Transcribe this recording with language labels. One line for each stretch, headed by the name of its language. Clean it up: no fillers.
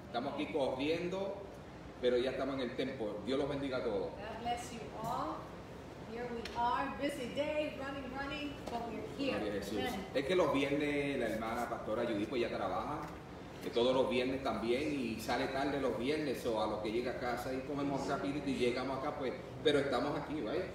Spanish: Estamos aquí corriendo, pero ya estamos en el tiempo. Dios los bendiga a todos.
English: God bless you all. Here we are, busy day, running, but we're here.
Spanish: Jesús. Es que los viernes la hermana pastora Judith pues ya trabaja, que todos los viernes también, y sale tarde los viernes, o a los que llega a casa y comemos rápido y llegamos acá, pues, pero estamos aquí, ¿vale?